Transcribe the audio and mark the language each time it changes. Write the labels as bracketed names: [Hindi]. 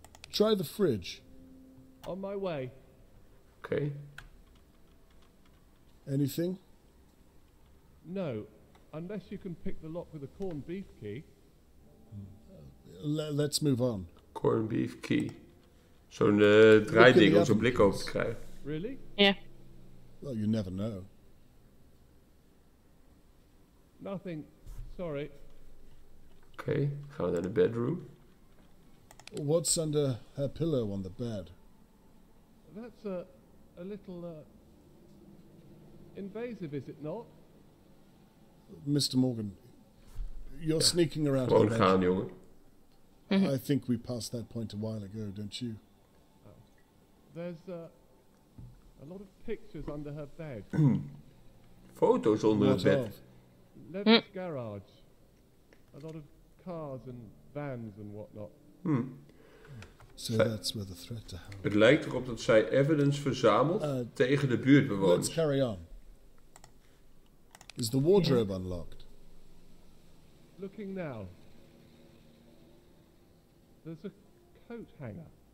[English] Try the fridge. On my way. Okay. Anything? No, unless you can pick the lock with a corned beef key. Let's move on. Corned beef key. [Dutch] Zo'n draaiding om zo'n blik over te krijgen. [English] Really? [Dutch] Ja. [English] Yeah. Well, you never know. Nothing. Sorry. [Dutch] Okay, gaan we naar de bedroom. [English] What's under her pillow on the bed? That's a little invasive, is it not? Mr. Morgan, you're sneaking around. [Dutch] Gewoon gaan, jongen. [English] I think we passed that point a while ago, don't you? There's a lot of pictures under her bed. [Dutch] foto's onder het bed. [English] Levitt's garage. A lot of cars and vans and whatnot. So that's where the threat to help. [Dutch] Het lijkt erop dat zij evidence verzamelt tegen de buurtbewoners. [English] Let's carry on. Is the wardrobe unlocked? Looking now. There's a coat hanger.